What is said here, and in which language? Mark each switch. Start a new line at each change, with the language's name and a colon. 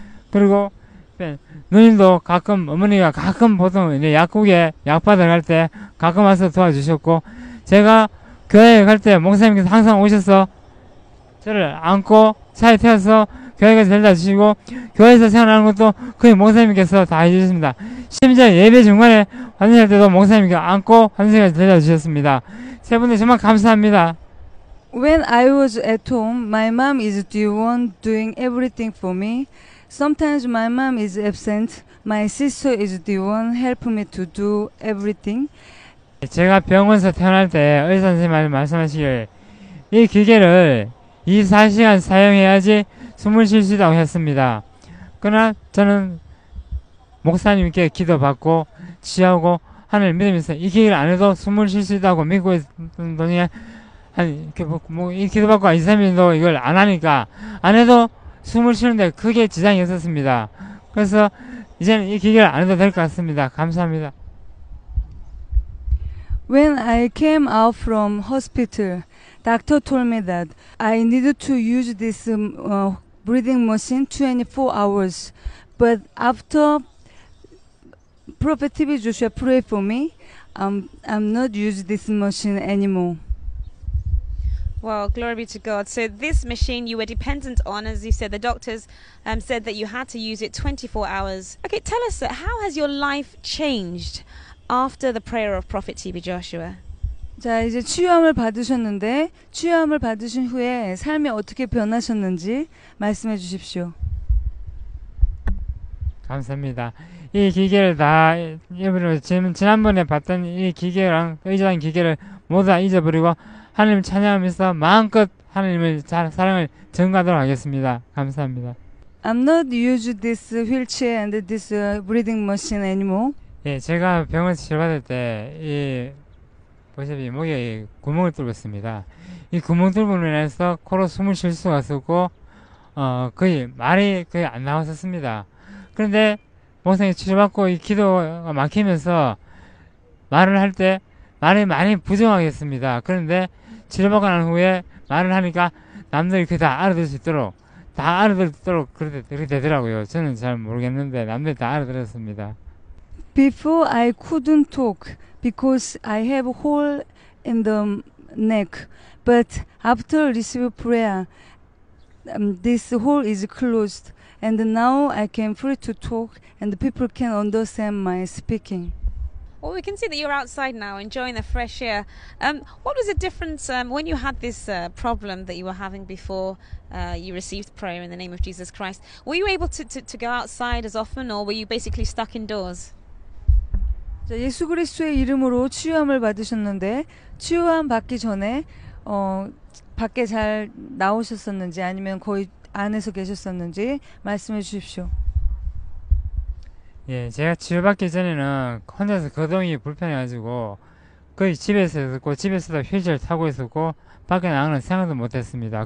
Korean: 그리고 누님도 가끔 어머니가 가끔 보통 이제 약국에 약 받으러 갈 때 가끔 와서 도와주셨고 제가 교회에 갈 때 목사님께서 항상 오셔서 저를 안고 차에 태워서 교회가 데려다 주시고 교회에서 생활하는 것도 거의 목사님께서 다 해주셨습니다. 심지어 예배 중간에 환승할 때도 목사님께서 안고 환승까지 데려다 주셨습니다. 세 분 정말 감사합니다.
English: When I was at home, my mom is the one doing everything for me. Sometimes my mom is absent. My sister is the one help me to do everything.
Korean: 제가 병원에서 태어날 때 의사 선생님이 말씀하시길 이 기계를 24시간 사용해야지 숨을 쉴 수 있다고 했습니다. 그러나 저는 목사님께 기도받고 취하고 하늘 믿으면서 이 기계를 안 해도 숨을 쉴 수 있다고 믿고 있던 동안 이 기도받고 이 선생님도 이걸 안 하니까 안 해도 숨을 쉬는데 크게 지장이 있었습니다. 그래서 이제는 이 기계를 안 해도 될 것 같습니다. 감사합니다.
English: When I came out from hospital, doctor told me that I needed to use this breathing machine 24 hours. But after Prophet TV Joshua prayed for me, I'm not using this machine anymore. Well, glory be to God. So this machine you were dependent on, as you said, the doctors said that you had to use it 24 hours. Okay, tell us, sir, how has your life changed after the prayer of Prophet T.B. Joshua?
Korean: 자, 이제 치유함을 받으셨는데 치유함을 받으신 후에 삶이 어떻게 변하셨는지 말씀해 주십시오. 감사합니다. 이 기계를 다 잊어버리고 지난번에 봤던 이 기계랑 의자랑 기계를 모두 다 잊어버리고 하나님 찬양하면서 마음껏 하나님을 사랑을 전가하도록 하겠습니다. 감사합니다.
English: I'm not use this wheelchair and this breathing machine anymore.
Korean: 예, 제가 병원 치료받을 때 이 보시다시피 목에 이 구멍을 뚫었습니다. 이 구멍 뚫음으로 인해서 코로 숨을 쉴 수가 없었고 거의 말이 거의 안 나왔었습니다. 그런데 목사님 치료받고 이 기도가 막히면서 말을 할 때 말이 많이 부정하겠습니다. 그런데 치료받고 난 후에 말을 하니까 남들이 그게 다 알아들 수 있도록 다 알아들 수 있도록 그렇게 되더라고요. 저는 잘 모르겠는데 남들이 다 알아들었습니다.
English: Before I couldn't talk because I have a hole in the neck. But after receiving prayer, this hole is closed. And now I can free to talk and people can understand my speaking. Well, we can see that you're outside now, enjoying the fresh air. What was the difference when you had this problem that you were having before you received prayer in the name of Jesus Christ? Were you able to go outside as often, or were you basically stuck indoors?
Korean: 자, 예수 그리스도의 이름으로 치유함을 받으셨는데 치유함 받기 전에 밖에 잘 나오셨었는지 아니면 거의 안에서 계셨었는지 말씀해 주십시오. 예, 제가 치유받기 전에는 혼자서 거동이 불편해가지고 거의 집에서 있었고 집에서도 휠체어 타고 있었고 밖에 나가는 생각도 못했습니다.